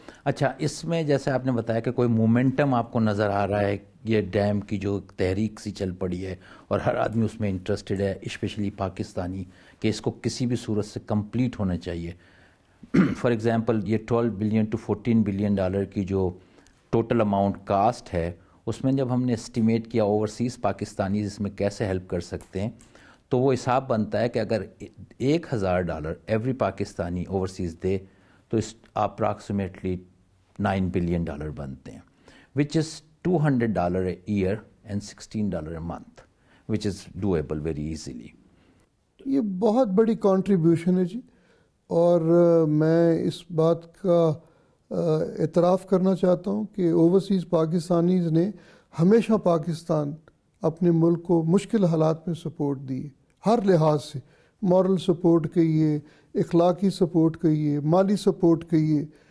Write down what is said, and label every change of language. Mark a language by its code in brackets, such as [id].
[ur] اچھا، اس میں جیسے آپ نے بتایا کہ کوئی مومنٹم آپ کو نظر آ رہا ہے، یہ ڈیم کی جو تحریک سی چل پڑی ہے اور ہر آدمی اس میں انٹرسٹڈ ہے، اسپیشلی پاکستانی، کہ اس کو کسی بھی صورت سے کمپلیٹ ہونا چاہیے۔ [en] for example, [ur] یہ 12 بلین ٹو 14 بلین ڈالر کی جو ٹوٹل اماؤنٹ کاسٹ ہے، اس میں جب ہم نے اسٹیمیٹ کیا اوورسیز پاکستانی اس میں کیسے ہیلپ کر سکتے ہیں، تو تو وہ حساب بنتا ہے کہ اگر $1,000 ایوری پاکستانی اوورسیز دے تو اس اپراکسیمیٹلی $9 بلین بنتے ہیں، [en] Which is $200 a year and $16 a month, which is double very easily. [ur] یہ بہت بڑی کانٹریبیوشن ہے جی، اور میں اس بات کا اعتراف کرنا چاہتا ہوں کہ اوورسیز پاکستانیز نے ہمیشہ پاکستان اپنے ملک کو مشکل حالات میں سپورٹ دی، ہر لحاظ سے، مورل سپورٹ کہیے، اخلاقی سپورٹ کہیے، مالی سپورٹ کہیے،